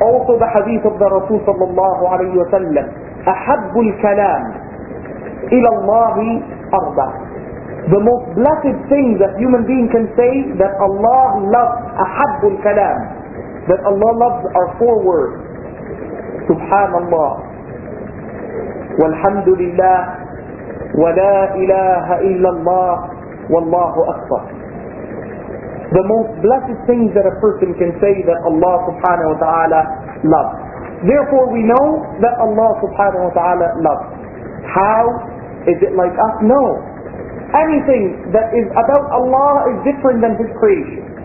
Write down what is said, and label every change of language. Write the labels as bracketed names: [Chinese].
[English] Also the hadith of the Rasul sallallahu alayhi wa sallam, [Arabic] أَحَبُّ الْكَلَامِ إِلَى اللَّهِ أَرْضَى. [English] The most blessed thing that human being can say, that Allah loves, [Arabic] أَحَبُّ الْكَلَامِ, [English] that Allah loves, are four words. [Arabic] سبحان الله والحمد لله ولا إله إلا الله والله أكبر. [English] The most blessed things that a person can say that Allah subhanahu wa ta'ala loves. Therefore we know that Allah subhanahu wa ta'ala loves. How? Is it like us? No. Anything that is about Allah is different than His creation.